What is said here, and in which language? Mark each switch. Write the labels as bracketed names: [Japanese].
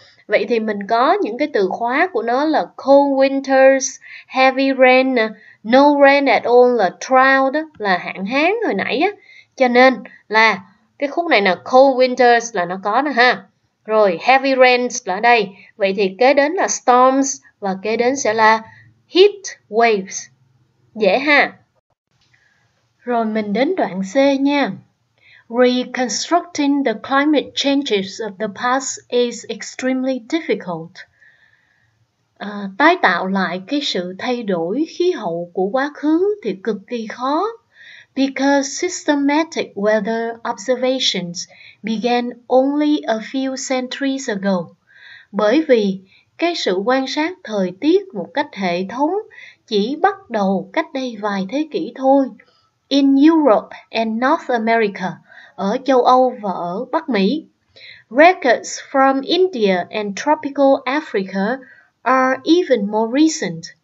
[Vietnamese] Vậy thì mình có những cái từ khóa của nó là cold winters, heavy rain, [English] no rain at all [Vietnamese] là drought đó, là hạn hán hồi nãy á. Cho nên là cái khúc này là cold winters là nó có nè ha. Rồi heavy rains là đây. Vậy thì kế đến là storms và kế đến sẽ là heat waves. Dễ ha. Rồi mình đến đoạn C nha. [English] Reconstructing the climate changes of the past is extremely difficult. [Vietnamese] Tái tạo lại cái sự thay đổi khí hậu của quá khứ thì cực kỳ khó. [English] Because systematic weather observations began only a few centuries ago. [Vietnamese] Bởi vì cái sự quan sát thời tiết một cách hệ thống chỉ bắt đầu cách đây vài thế kỷ thôi. [English] In Europe and North America, [Vietnamese] ở châu Âu và ở Bắc Mỹ, [English] records from India and tropical Africa are even more recent.